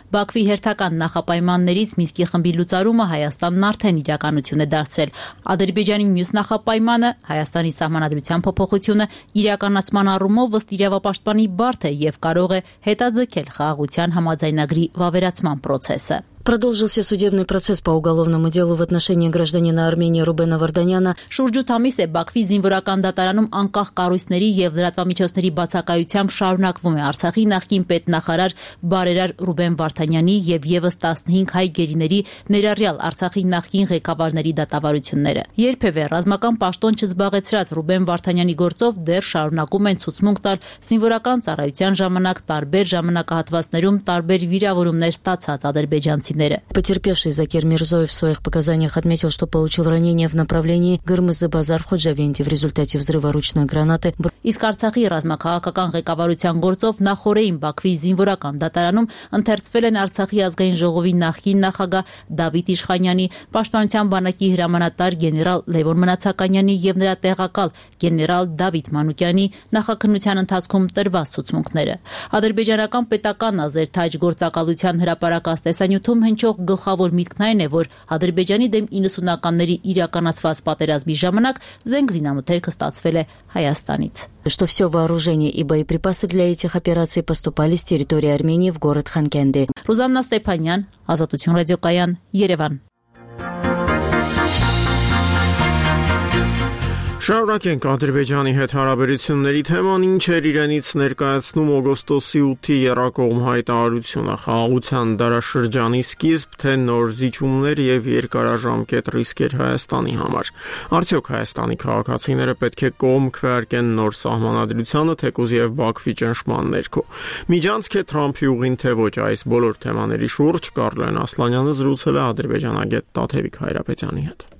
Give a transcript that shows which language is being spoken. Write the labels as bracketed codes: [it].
[hy] Բաքվի հերթական նախապայմաններից Միսկի խմբի լուծարումը Հայաստանն արդեն իրականություն է դարձրել։ Ադրբեջանի մյուս նախապայմանը, Հայաստանի սահմանադրության փոփոխությունը, իրականացման առումով ըստ իրավապաշտպանի բարդ է եւ կարող է հետաձգել խաղաղության համաձայնագրի վավերացման պրոցեսը։ [ru] Продолжился судебный процесс по уголовному делу в отношении гражданина Армении Рубена Варданяна. [hy] Շուրջ 8 ամիս է Բաքվի զինվորական դատարանում անկախ կառույցների եւ լրատվամիջոցների բացակայությամբ շարունակվում է Արցախի նախկին պետնախարար բարերար Ռուբեն Վարդանյանի եւ եւս 15 հայ գերիների ներառյալ Արցախի նախկին ղեկավարների դատավարությունները։ Երբևէ ռազմական պաշտոն չզբաղեցրած Ռուբեն Վարդանյանի գործով դեռ շարունակում են ցուցմունք տալ զինվորական ծառայության ժամանակ տարբեր ժամանակահատվածներում տարբեր վիրավորումներ ստացած Ադրբեջան. [ru] Потерпевший Закир Мирзоев в своих показаниях отметил, что получил ранение в направлении Гырмызы-Базар в Ходжавенте в результате взрыва ручной гранаты. [hy] Իսկ Արցախի ռազմաքաղաքական ղեկավարության գործով նախորդին Բաքվի զինվորական դատարանում ընթերցվել են Արցախի ազգային ժողովի նախին նախագահ Դավիթ Իշխանյանի, պաշտպանության բանակի հրամանատար գեներալ Լևոն Մնացականյանի եւ նրա տեղակալ գեներալ Դավիթ Մանուկյանի նախաքննության ընթացքում տրված ցուցմունքները։ Ադրբեջանական պետական ազերթայջ գործակալության հրապարակած տեսանյութում հնչող գլխավոր միտքն այն է, որ Ադրբեջանի դեմ 90-ականների իրականացված պատերազմի ժամանակ զենք զինամթերքը ստացվել է Հայաստանի։ [ru] Что все вооружение и боеприпасы для этих операций поступали с территории Армении в город Ханкенди. Рузанна Степанян, Азатутюн Радиокаян, Ереван. [hy] Շարունակենք Ադրբեջանի հետ հարաբերությունների թեման, ինչեր իրենից ներկայացնում օգոստոսի 8-ի Երակոգում հայտարարությունը, խաղաղության դարաշրջանի սկիզբ, թե նոր զիջումներ եւ երկարաժամկետ ռիսկեր Հայաստանի համար։ Արդյոք Հայաստանի քաղաքացիները պետք է կողմ քվեարկեն նոր սահմանադրությանը, թեկուզ եւ Բաքվի ճնշման ներքո։ Միջանցքի Թրամփի ուղին թե ոչ, այս բոլոր թեմաների շուրջ Կարլեն Ասլանյանը զրուցել է ադրբեջանագետ Տաթևիկ Հայրապետյանի հետ։